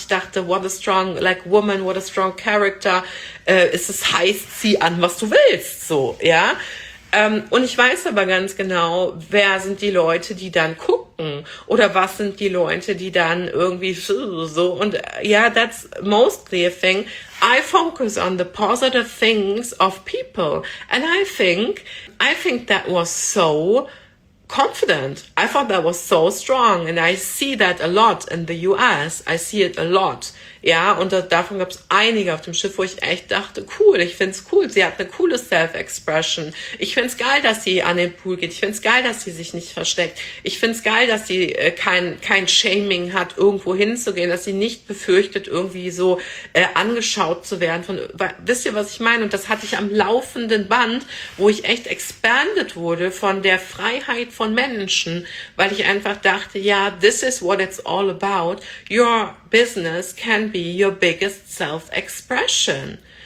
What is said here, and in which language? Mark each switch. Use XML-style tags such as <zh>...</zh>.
<de>Ich dachte,</de> <en>what a strong, like, woman, what a strong character.</en> <de>Es heißt, zieh an, was du willst, so, ja. Und ich weiß aber ganz genau, wer sind die Leute, die dann gucken oder was sind die Leute, die dann irgendwie so und ja,</de> <en>yeah, that's mostly a thing. I focus on the positive things of people and I think that was so confident. I thought that was so strong and I see that a lot in the US. I see it a lot.</en> <de>Ja, und davon gab es einige auf dem Schiff, wo ich echt dachte, cool, ich find's cool, sie hat eine coole Self-Expression. Ich find's geil, dass sie an den Pool geht. Ich find's geil, dass sie sich nicht versteckt. Ich find's geil, dass sie kein Shaming hat, irgendwo hinzugehen, dass sie nicht befürchtet, irgendwie so angeschaut zu werden. Wisst ihr, was ich meine? Und das hatte ich am laufenden Band, wo ich echt expanded wurde von der Freiheit von Menschen, weil ich einfach dachte, ja,</de> <en>this is what it's all about. Your business can be your biggest self-expression.</en>